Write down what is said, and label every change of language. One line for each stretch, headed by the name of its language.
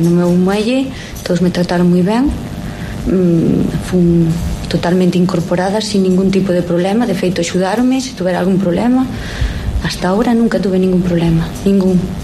Galician: No meu muelle, todos me trataron moi ben, fun totalmente incorporada sin ningún tipo de problema. De feito, axudáronme se tuvera algún problema.
Spanish: Hasta ahora nunca tuve ningún problema, ningún.